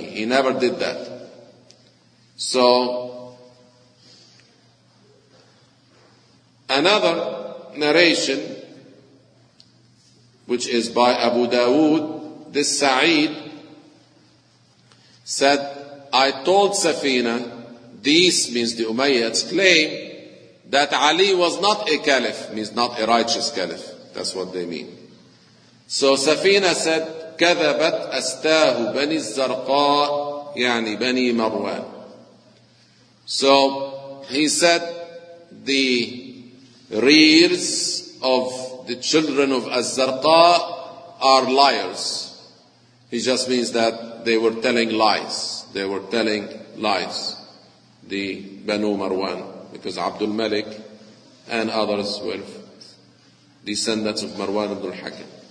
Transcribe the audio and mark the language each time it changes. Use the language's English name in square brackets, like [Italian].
[English] He never did that. So, another narration, which is by Abu Dawood, this Sa'id said, I told Safina, these means the Umayyads claim, that Ali was not a caliph, means not a righteous caliph. That's what they mean. So Safina said, [Arabic] كَذَبَتْ أَسْتَاهُ بَنِي الزَّرْقَاءِ يعني بَنِي مَرْوَانِ. [English] So he said, the rears of the children of Az-Zarqa are liars. He just means that they were telling lies. They were telling lies. The Banu Marwan, because Abdul Malik and others were descendants of Marwan ibn al-Hakim.